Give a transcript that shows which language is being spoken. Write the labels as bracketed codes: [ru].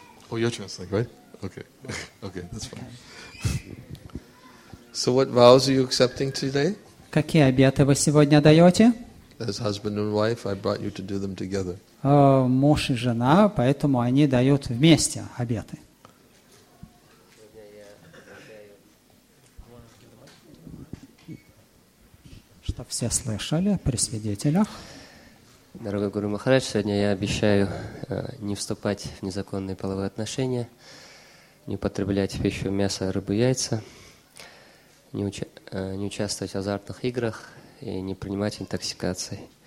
[en] Oh, your turn, right? Okay. Okay, that's fine. So what vows are you accepting today? [ru] Какие обеты вы сегодня даете? [en] As husband and wife, I brought you to do them together. [ru] Муж и жена, поэтому они дают вместе обеты. Что все слышали при свидетелях. Дорогой Гуру Махарадж, сегодня я обещаю не вступать в незаконные половые отношения, не употреблять пищу, мясо, рыбу, яйца, не участвовать в азартных играх и не принимать интоксикации.